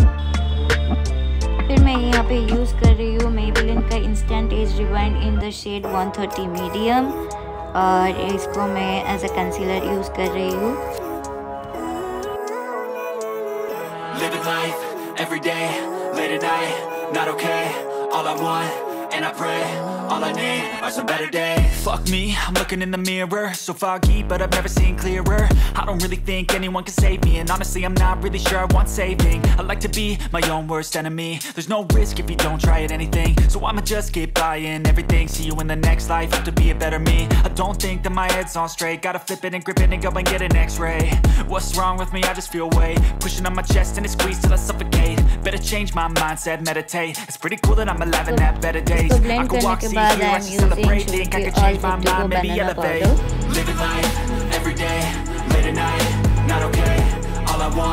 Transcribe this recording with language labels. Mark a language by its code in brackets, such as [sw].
[hi] फिर मैं यहाँ पे यूज़ कर रही हूँ मेबेलिन का instant as rewind in the shade 130 medium, और इसको मैं एज अ कंसीलर यूज़ कर रही हूँ। [en] And I pray, all I need are some better days. Fuck me, I'm looking in the mirror. So foggy, but I've never seen clearer. I don't really think anyone can save me. And honestly, I'm not really sure I want saving. I like to be my own worst enemy. There's no risk if you don't try at anything. So I'ma just keep buying everything. See you in the next life, hope to be a better me. I don't think that my head's on straight. Gotta flip it and grip it and go and get an x-ray. What's wrong with me? I just feel weight pushing on my chest and it squeezes till I suffocate. Better change my mindset, meditate. It's pretty cool that I'm alive and have better days. [hi] इसको blend करने के बाद [en] I am using sugar की oil beauty को banana powder.